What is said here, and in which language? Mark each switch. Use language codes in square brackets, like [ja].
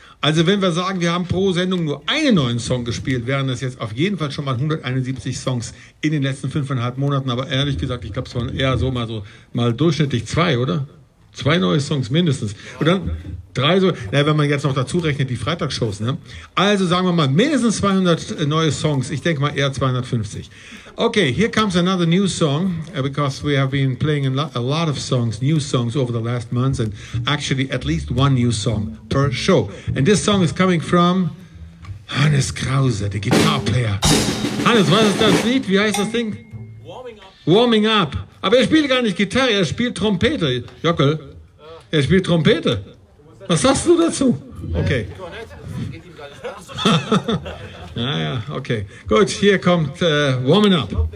[de] Also wenn wir sagen, wir haben pro Sendung nur einen neuen Song gespielt, wären das jetzt auf jeden Fall schon mal 171 Songs in den letzten 5,5 Monaten. Aber ehrlich gesagt, ich glaube, es waren eher so mal durchschnittlich 2, oder? 2 neue Songs mindestens. Und dann 3 so, naja, wenn man jetzt noch dazu rechnet, die Freitagsshows, ne? Also sagen wir mal mindestens 200 neue Songs. Ich denke mal eher 250. [en] Okay, here comes another new song, because we have been playing a lot of songs, new songs over the last months, and actually at least one new song per show. And this song is coming from Hannes Krause, the guitar player. [de] Hannes, was ist das Lied? Wie heißt das Ding? [en] Warming Up. Warming Up. [de] Aber er spielt gar nicht Gitarre, er spielt Trompete. Jockel, er spielt Trompete. Was sagst du dazu? Okay. Ah, ja, okay. Gut, hier kommt Warming Up.